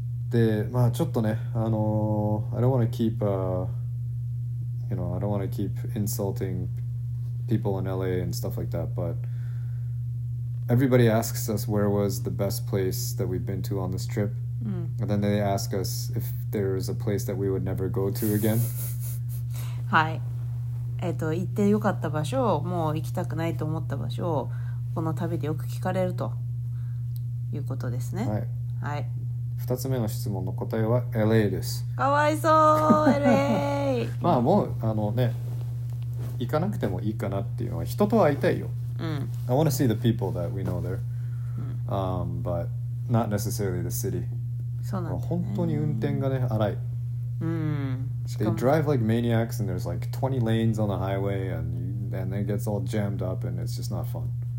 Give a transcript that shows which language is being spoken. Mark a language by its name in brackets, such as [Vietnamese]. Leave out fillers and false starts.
[Japanese] で、まあちょっとね、 [English] I don't want to keep, you know, I don't want to keep insulting people in LA and stuff like that, but everybody asks us where was the best place that we've been to on this trip. And then they ask us if there's a place that we would never go to again. [Japanese] はい。行ってよかった場所、もう行きたくないと思った場所をこの旅でよく聞かれるということですね。はい。はい。二つ目の質問の答えは LA です。かわいそう、LA。まあもう、行かなくてもいいかなっていうのは、人と会いたいよ。 [English] I want to see the people that we know there. But not necessarily the city. [Japanese] そうなんだね。本当に運転がね、荒い。 [English] They drive like maniacs and there's like 20 lanes on the highway and it gets all jammed up and it's just not fun.